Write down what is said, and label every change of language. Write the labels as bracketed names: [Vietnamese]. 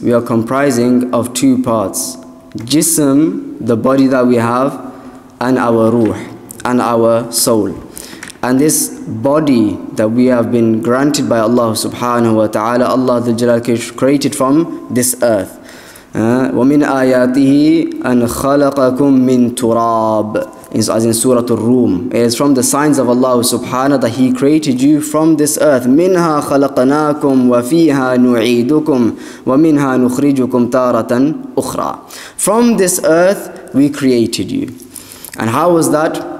[English] We are comprising of two parts: jism, the body that we have, and our ruh, and our soul. And this body that we have been granted by Allah subhanahu wa ta'ala, Allah the Jalal created from this earth. [Arabic] ومن آياته أن خلقكم من تراب. [English] As in Surah Al-Rum. It is from the signs of Allah subhanahu that He created you from this earth. [Arabic] مِنْهَا خَلَقْنَاكُمْ وَفِيهَا نُعِيدُكُمْ وَمِنْهَا نُخْرِجُكُمْ تَارَةً أُخْرَى. [English] From this earth, we created you. And how was that?